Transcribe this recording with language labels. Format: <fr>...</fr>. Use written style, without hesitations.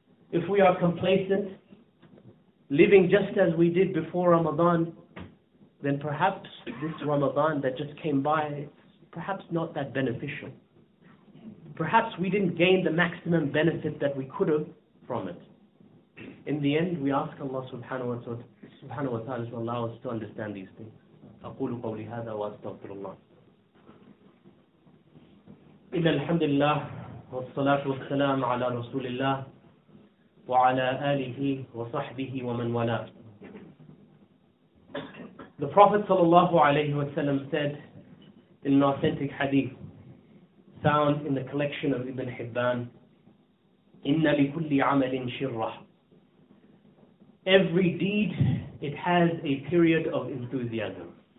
<en>If we are complacent, living just as we did before Ramadan, then perhaps this Ramadan that just came by, perhaps not that beneficial. Perhaps we didn't gain the maximum benefit that we could have from it. In the end, we ask Allah subhanahu wa ta'ala to allow us to understand these things.</en> <ar>أقول قولي هذا وأستغفر الله. إن الحمد لله والصلاة والسلام على رسول الله وعلى آله وصحبه ومن والاه.</ar> <en>The Prophet</en> <ar>صلى الله عليه وسلم</ar> <en>said in an authentic hadith found in the collection of Ibn Hibban,</en> <ar>إن لكل عمل شرة.</ar> <en>Every deed, it has a period of enthusiasm.</en>